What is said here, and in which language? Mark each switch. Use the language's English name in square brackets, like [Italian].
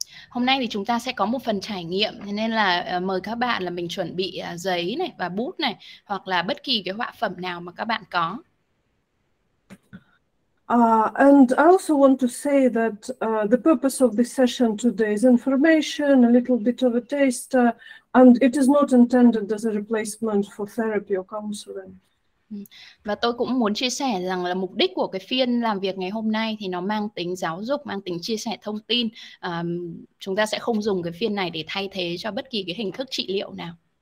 [Vietnamese] Hôm nay thì chúng ta sẽ có một phần trải nghiệm, nên là mời các bạn là mình chuẩn bị giấy này và bút này hoặc là bất kỳ cái họa phẩm nào mà các bạn có. [English] And I also want to say that the purpose of this session today is information, a little bit of a taster, and it is not intended as a replacement for therapy or counseling. [Vietnamese] Và tôi cũng muốn chia sẻ rằng là mục đích của cái phiên làm việc ngày hôm nay thì nó mang tính giáo dục, mang tính chia sẻ thông tin. Chúng ta sẽ không dùng cái phiên này để thay thế cho bất kỳ cái hình thức trị liệu nào.